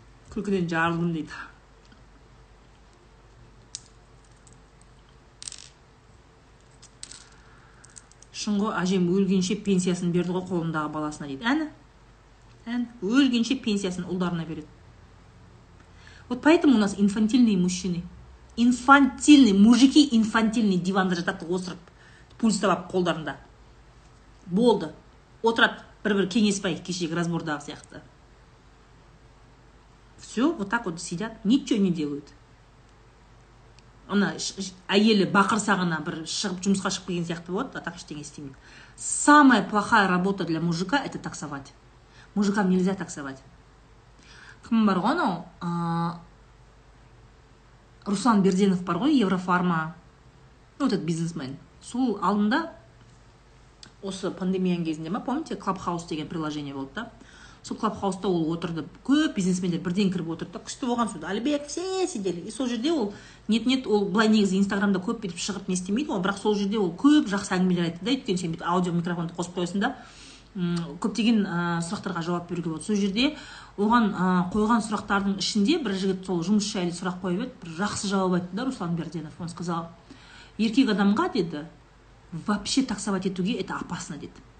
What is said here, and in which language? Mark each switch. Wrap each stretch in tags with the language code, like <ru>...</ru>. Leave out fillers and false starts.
<kk>Күлкіден жарылдым дейді. Шыңғы әжем өлгенше пенсиясын берді ғой қолындағы баласына дейді. Әні. Өлгенше пенсиясын ұлдарына береді.</kk> <ru>Вот поэтому у нас инфантильные мужчины. Инфантильные, мужики инфантильные</ru> <kk>диванда жатады осырып, пульс табап қолдарында. Болды. отырады бір бір кеңеспай, кешегі разбордағы сияқты.</kk> <ru>Все, вот так вот сидят, ничего не делают.</ru> <kk>Она әйелі бақырсағына бір шығып жұмысқа шығып келген сияқты болады,</kk> <ru>а так</ru> <kk>ештеңе істемейді.</kk> <ru>Самая плохая работа для мужика – это таксовать. Мужикам нельзя таксовать.</ru> <kk>Кім бар ғой, Руслан Берденов бар ғой, Еврофарма,</kk> <ru>ну, этот бизнесмен.</ru> <kk>Сол алдында, осы пандемияның кезінде ма, помните, Клабхаус деген приложение болды да? Сол Клабхауста ол отырды, көп бизнесмендер бірден кіріп отырды да, күшті болған сөйді, Алибек,</kk> <ru>все сидели.</ru> <kk>И сол жерде ол,</kk> <ru>нет-нет,</ru> <kk>ол былай негізі Инстаграмда көп беріп шығып не істемейді, ол, бірақ сол жерде ол көп жақсы әңгімелер айтты да, өйткені сен аудио микрофонды қосып қойсын да, көптеген сұрақтарға жауап беруге болады. Сол жерде оған қойған сұрақтардың ішінде бір жігіт сол жұмысшы әйел сұрақ қойып еді, бір жақсы жауап айтты да Руслан Берденов.</kk> <ru>Он сказал,</ru> <kk>еркек адамға деді, вообще таксовать етуге</kk> <ru>это опасно</ru> <kk>деді.</kk>